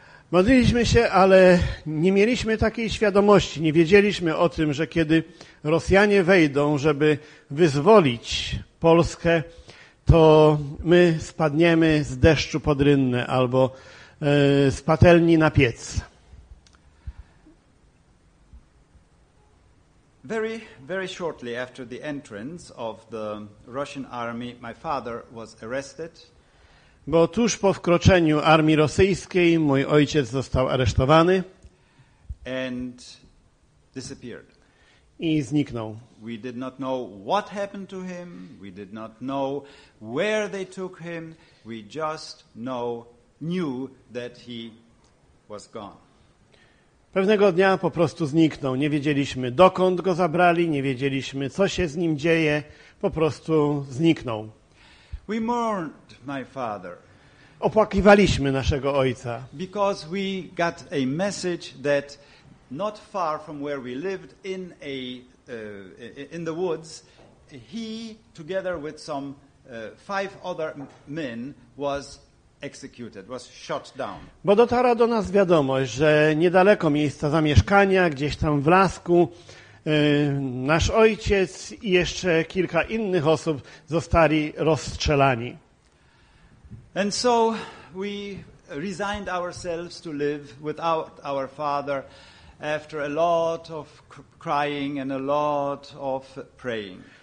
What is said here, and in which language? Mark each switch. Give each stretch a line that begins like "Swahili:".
Polish: Modliliśmy się, ale nie mieliśmy takiej świadomości, nie wiedzieliśmy o tym, że kiedy Rosjanie wejdą, żeby wyzwolić Polskę, to my spadniemy z deszczu pod rynnę albo z patelni na piec.
English: Very, very shortly after the entrance of the Russian army, my father was arrested.
Polish: Bo tuż po wkroczeniu armii rosyjskiej mój ojciec został aresztowany
English: and disappeared.
Polish: I zniknął.
English: We did not know what happened to him, we did not know where they took him, we just knew that he was gone.
Polish: Pewnego dnia po prostu zniknął. Nie wiedzieliśmy, dokąd go zabrali, nie wiedzieliśmy, co się z nim dzieje, po prostu zniknął.
English: We mourned my father.
Polish: Opłakiwaliśmy naszego ojca.
English: Because we got a message that not far from where we lived in a in the woods, he, together with some five other men, was executed, was shot down.
Polish: Bo dotarła do nas wiadomość, że niedaleko miejsca zamieszkania, gdzieś tam w lasku, nasz ojciec i jeszcze kilka innych osób zostali rozstrzelani.
English: And so we resigned ourselves to live without our father after a lot of crying and a lot of praying.